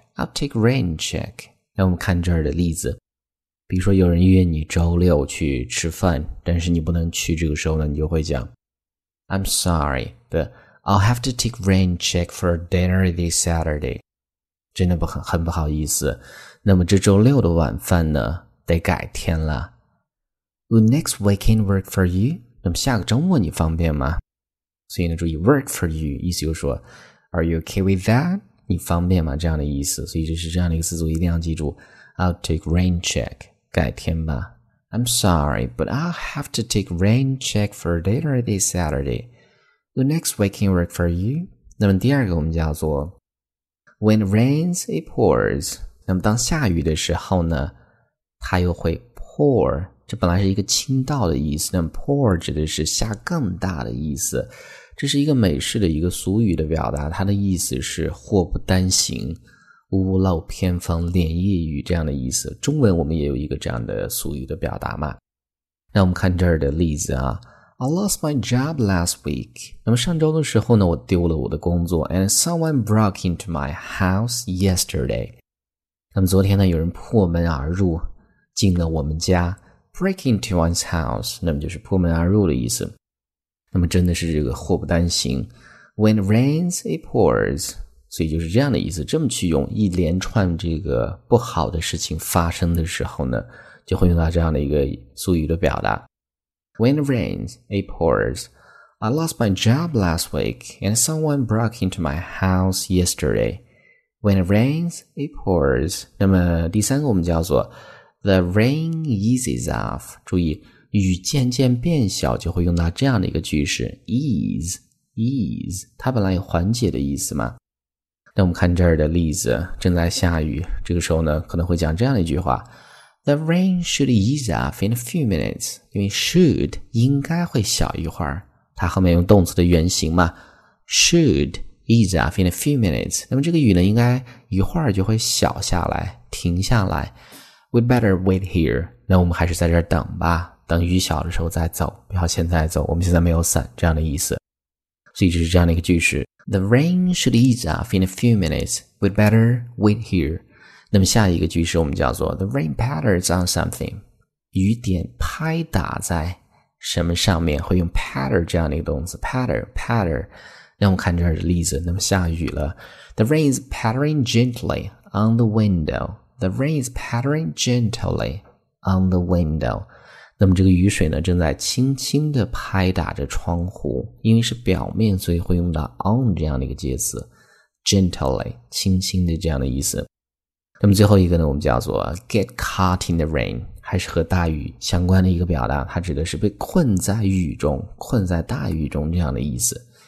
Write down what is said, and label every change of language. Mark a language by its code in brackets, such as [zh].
[en] I'll take rain check. [zh] 那我们看这儿的例子，比如说有人约你周六去吃饭，但是你不能去，这个时候呢，你就会讲 [en] I'm sorry, but I'll have to take rain check for dinner this Saturday. [zh] 真的很不好意思，那么这周六的晚饭呢，得改天了。 [en] Will next weekend work for you? [zh] 那么下个周末你方便吗？所以呢，注意 [en] work for you [zh] 意思就是说 [en] Are you okay with that? [zh] 你方便吗？这样的意思。所以这是这样的一个词组，一定要记住 [en] I'll take rain check [zh] 改天吧。 [en] I'm sorry, but I'll have to take rain check for dinner this Saturday. The next weekend work for you? [zh] 那么第二个我们叫做 [en] When it rains, it pours. [zh] 那么当下雨的时候呢，它又会 pour，这本来是一个倾倒的意思，那 pour 指的是下更大的意思。这是一个美式的一个俗语的表达，它的意思是祸不单行，屋漏偏逢连夜雨这样的意思。中文我们也有一个这样的俗语的表达嘛。那我们看这儿的例子啊， [en] I lost my job last week. [zh] 那么上周的时候呢，我丢了我的工作， [en] And someone broke into my house yesterday. [zh] 那么昨天呢，有人破门而入，进了我们家。 [en] Break into one's house， [zh] 那么就是破门而入的意思。那么真的是这个祸不单行。 [en] When it rains, it pours， [zh] 所以就是这样的意思。这么去用，一连串这个不好的事情发生的时候呢，就会用到这样的一个俗语的表达。 [en] When it rains, it pours. I lost my job last week, and someone broke into my house yesterday. When it rains, it pours. [zh] 那么第三个我们叫做 [en] The rain eases off. [zh] 注意，雨渐渐变小，就会用到这样的一个句式 ease. 它本来有缓解的意思嘛。那我们看这儿的例子，正在下雨，这个时候呢，可能会讲这样的一句话 ： [en] The rain should ease off in a few minutes. [zh] 因为 should 应该会小一会儿，它后面用动词的原形嘛 ， [en] should ease off in a few minutes. [zh] 那么这个雨呢，应该一会儿就会小下来，停下来。 [en] We'd better wait here. [zh] 那我们还是在这儿等吧，等雨小的时候再走，不要现在走，我们现在没有伞，这样的意思。所以就是这样的一个句式。 [en] The rain should ease off in a few minutes. We'd better wait here. [zh] 那么下一个句式我们叫做 [en] The rain patters on something. [zh] 雨点拍打在什么上面，会用 patter 这样的一个动词。 [en] Patter. [zh] 那我们看这儿的例子，那么下雨了。 [en] The rain is pattering gently on the window. The rain is pattering gently on the window. [zh] 那么这个雨水呢，正在轻轻地拍打着窗户。因为是表面，所以会用到 on 这样的一个介词 ，gently 轻轻的这样的意思。那么最后一个呢，我们叫做 [en] get caught in the rain， [zh] 还是和大雨相关的一个表达，它指的是被困在雨中，困在大雨中这样的意思。